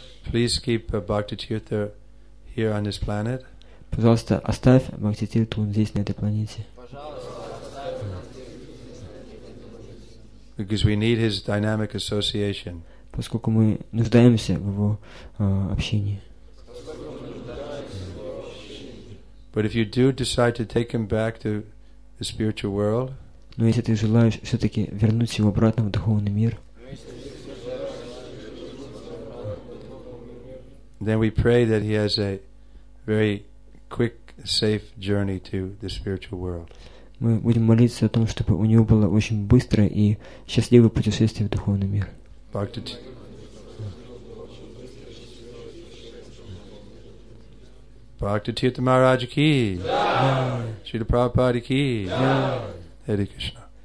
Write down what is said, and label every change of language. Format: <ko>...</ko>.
<en>please keep Bhakti Tirtha here on this planet.</en> <ru>Пожалуйста, оставь Бхакти Тирту здесь, на этой планете.</ru> <en>Because we need his dynamic association.</en> <ru>Поскольку мы нуждаемся в его общении.</ru> <en>But if you do decide to take him back to the spiritual world,</en> <ru>но если ты желаешь все-таки вернуть его обратно в духовный мир,</ru> <en>then we pray that he has a very quick, safe journey to the spiritual world.</en> <ru>Мы будем молиться о том, чтобы у него было очень быстрое и счастливое путешествие в духовный мир.</ru> <hi>Bhakti Tirtha Maharaj ki. Srila Prabhupada ki. Hare Krishna.</hi>